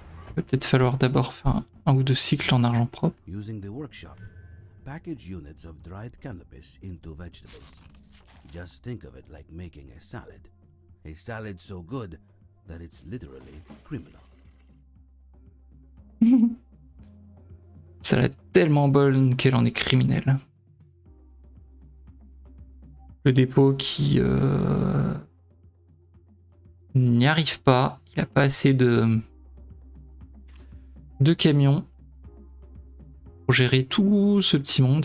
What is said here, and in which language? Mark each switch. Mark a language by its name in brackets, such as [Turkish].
[French] Il va peut-être falloir d'abord faire un ou deux cycles en argent propre. [English] Using the workshop, package units of dried cannabis into vegetables. Just think of it like making a salad. A salad so good that it's literally criminal. [French] Ça l'a tellement bonne qu'elle en est criminelle. Le dépôt qui n'y arrive pas, il a pas assez de camions pour gérer tout ce petit monde.